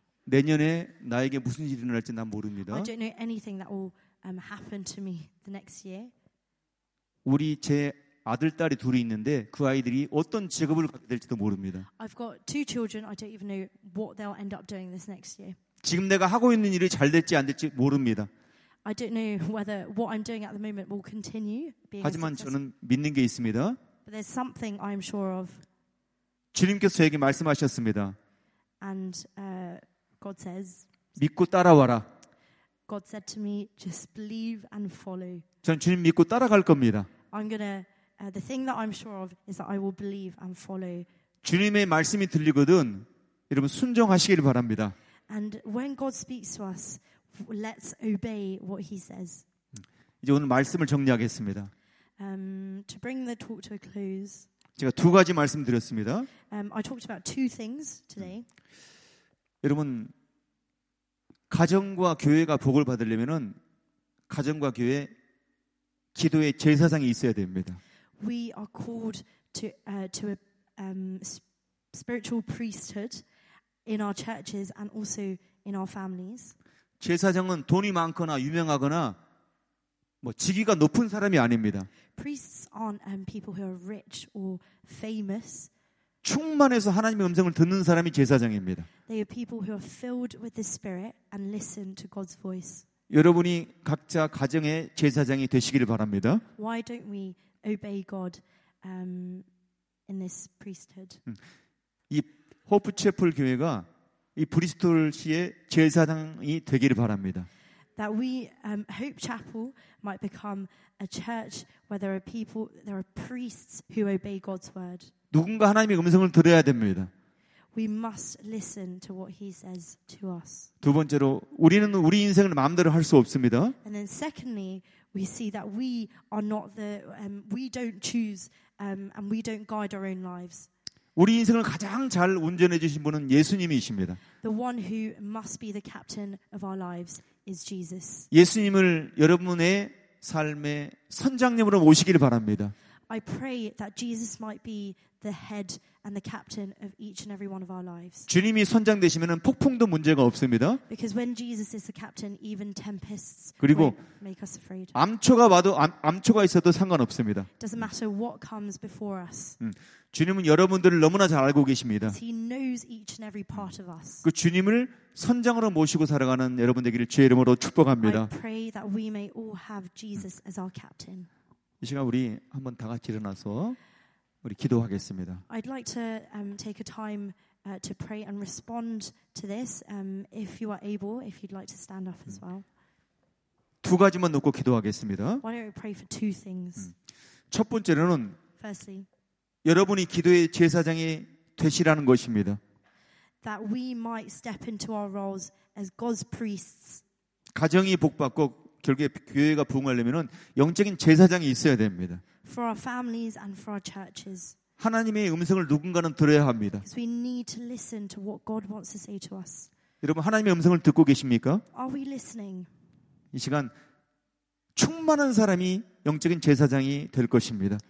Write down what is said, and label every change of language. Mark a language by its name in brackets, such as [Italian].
[Korean] 내년에 나에게 무슨 일이 일어날지 난 모릅니다. [English] I don't know anything that will happen to me the next year. [Korean] 우리 제 아들 딸이 둘이 있는데 그 아이들이 어떤 직업을 갖게 될지도 모릅니다. [English] I've got two children. I don't even know what they'll end up doing this next year. [Korean] 지금 내가 하고 있는 일이 잘 될지 안 될지 모릅니다. [English] I don't know whether what I'm doing at the moment will continue being. [Korean] 하지만 저는 믿는 게 있습니다. [English] But there's something I'm sure of. [Korean] 주님께서 저에게 말씀하셨습니다. [English] And God says, [Korean] 믿고 따라와라. [English] God said to me, just believe and follow. [Korean] 전 주님 믿고 따라갈 겁니다. [English] I'm gonna. The thing that I'm sure of is that I will believe and follow. [Korean] 주님의 말씀이 들리거든, 여러분 순종하시기를 바랍니다. [English] And when God speaks to us, let's obey what He says. [Korean] 이제 오늘 말씀을 정리하겠습니다. [English] To bring the talk to a close. [Korean] 제가 두 가지 말씀드렸습니다. [English] I talked about two things today. [Korean] 여러분 가정과 교회가 복을 받으려면은 가정과 교회 기도의 제사상이 있어야 됩니다. [English] We are called to a spiritual priesthood in our churches and also in our families. [Korean] 제사장은 돈이 많거나 유명하거나 뭐 직위가 높은 사람이 아닙니다. [English] Priests aren't people who are rich or famous. [Korean] 충만해서 하나님의 음성을 듣는 사람이 제사장입니다. [English] They are people who are filled with the Spirit and listen to God's voice. [Korean] 여러분이 각자 가정의 제사장이 되시기를 바랍니다. [English] Why don't we obey God in this priesthood? [Korean] 이 호프체플 교회가 이 브리스톨시의 제사장이 되기를 바랍니다. [English] That we Hope Chapel might become a church where there are people, there are priests who obey God's word. [Korean] 누군가 하나님의 음성을 들어야 됩니다. [English] We must listen to what He says to us. [Korean] 두 번째로 우리는 우리 인생을 마음대로 할 수 없습니다. [English] And then secondly, we see that we are not the we don't choose and we don't guide our own lives. [Korean] 우리 인생을 가장 잘 운전해 주신 분은 예수님이십니다. [English] The one who must be the captain of our lives is Jesus. [Korean] 예수님을 여러분의 삶의 선장님으로 모시기를 바랍니다. [English] I pray that Jesus might be the head and the captain of each and every one of our lives. [Korean] 주님이 선장 되시면은 폭풍도 문제가 없습니다. [English] Because when Jesus is the captain, even tempests won't make us afraid. [Korean] 암초가 와도 암초가 있어도 상관없습니다. [English] Doesn't matter what comes before us. [Korean] 주님은 여러분들을 너무나 잘 알고 계십니다. [English] He knows each and every part of us. [Korean] 그 주님을 선장으로 모시고 살아가는 여러분 되기를 주의 이름으로 축복합니다. [English] I pray that we may all have Jesus as our captain. [Korean] 이 시간 우리 한번 다 같이 일어나서 우리 기도하겠습니다. [English] I'd like to take a time to pray and respond to this. If you are able, if you'd like to stand up as well. [Korean] 두 가지만 놓고 기도하겠습니다. [English] Why don't we pray for two things? [Korean] 첫 번째로는 [English] Firstly, [Korean] 여러분이 기도의 제사장이 되시라는 것입니다. [English] That we might step into our roles as God's priests. [Korean] 가정이 복받고 결국에 교회가 부흥하려면은 영적인 제사장이 있어야 됩니다. [English] For our families and for our churches. [Korean] 하나님의 음성을 누군가는 들어야 합니다. [English] Because we need to listen to what God wants to say to us. [Korean] 여러분 하나님의 음성을 듣고 계십니까? [English] Are we listening? [Korean] 이 시간 충만한 사람이 영적인 제사장이 될 것입니다.